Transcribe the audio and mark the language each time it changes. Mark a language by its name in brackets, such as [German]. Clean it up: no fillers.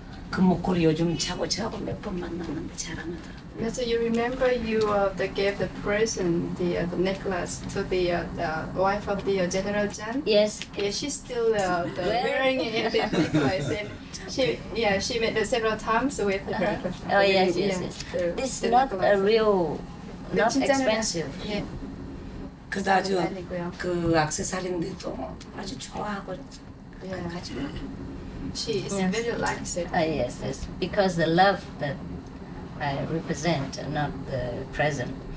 [Korean] 그 목걸이 요즘 차고 차고 몇 번 만났는데 자랑하더라고요. [English] So you remember you the gave the present the necklace to the wife of the General Chan? Yes. Yeah, she's still wearing it, the necklace. And she made it several times with her. Yes. This is not a real, not expensive. Yeah. [Korean] 그 아주 그 액세서리인데도 아주 좋아하고 가지고. [English] She likes it. Because the love that I represent, not the present.